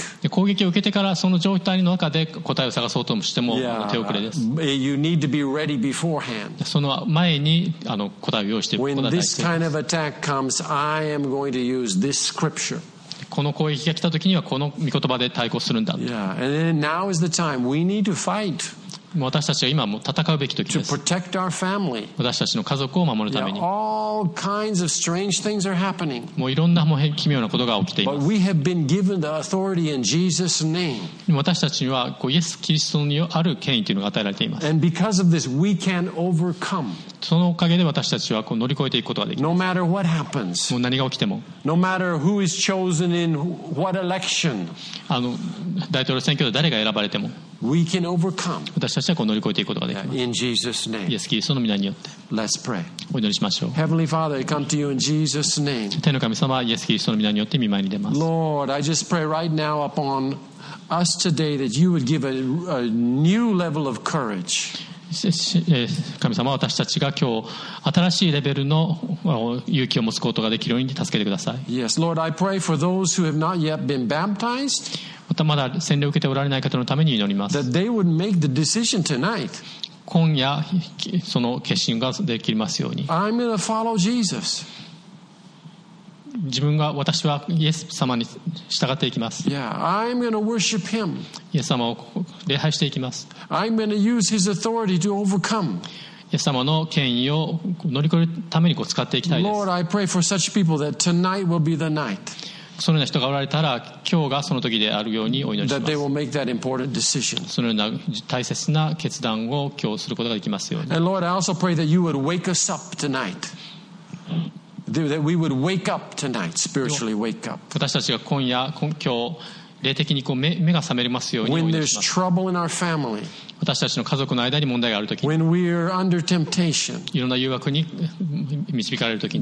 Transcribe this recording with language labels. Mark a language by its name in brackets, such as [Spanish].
[Japanese] 攻撃を受けてからその状態の中で答えを探そうともしても手遅れです。 [English] Yeah, you need to be ready beforehand. [Japanese] その前にあの答えを用意しておくことが大事です。 [English] When this kind of attack comes, I am going to use this scripture. [Japanese] この攻撃が来た時にはこの御言葉で対抗するんだ。 [English] Yeah, and then now is the time. We need to fight. [Japanese] 私たちは今も戦うべき時です。私たちの家族を守るために。 [English] All kinds of strange things are happening. [Japanese] もういろんな奇妙なことが起きています。 [English] But we have been given the authority in Jesus' name. [Japanese] 私たちにはこうイエス・キリストにある権威というのが与えられています。 [English] And because of this, we can overcome. [Japanese] そのおかげで私たちはこう乗り越えていくことができます。 [English] No、happens, [Japanese] もう何が起きても。 [English] No、matter who is chosen in what election, [Japanese] あの大統領選挙で誰が選ばれても。 [English] We can overcome. [Japanese] 私たちはこう乗り越えていくことができます。 [English] In Jesus name. [Japanese] イエス・キリストの名によって。 [English] Let's pray. [Japanese] お祈りしましょう。 [English] Heavenly Father, I come to you in Jesus name. [Japanese] 天の神様、イエス・キリストの名によって御前に出ます。 [English] Lord, I just pray right now upon us today that you would give a new level of courage. [Japanese] 神様、私たちが今日新しいレベルの勇気を持つことができるように助けてください。 [English] Yes, Lord, I pray for those who have not yet been baptized. [Japanese] またまだ洗礼を受けておられない方のために祈ります。 [English] That they would make the decision tonight. [Japanese] 今夜その決心ができますように。 [English] I'm going to follow Jesus. [Japanese] 自分が私はイエス様に従っていきます。 [English] Yeah, I'm going to worship him. [Japanese] イエス様を礼拝していきます。 [English] I'm going to use his authority to overcome. [Japanese] イエス様の権威を乗り越えるためにこう使っていきたいです。 [English] Lord, I pray for such people that tonight will be the night. [Japanese] そのような人がおられたら今日がその時であるようにお祈りします。 [English] That they will make that important decision. [Japanese] そのような大切な決断を今日することができますように。 [English] And Lord, I also pray that you would wake us up tonight. That we would wake up tonight, spiritually wake up. [Japanese] 私たちが今日霊的にこう 目が覚めますようにお祈りします。私たちの家族の間に問題があるとき、いろんな誘惑に導かれる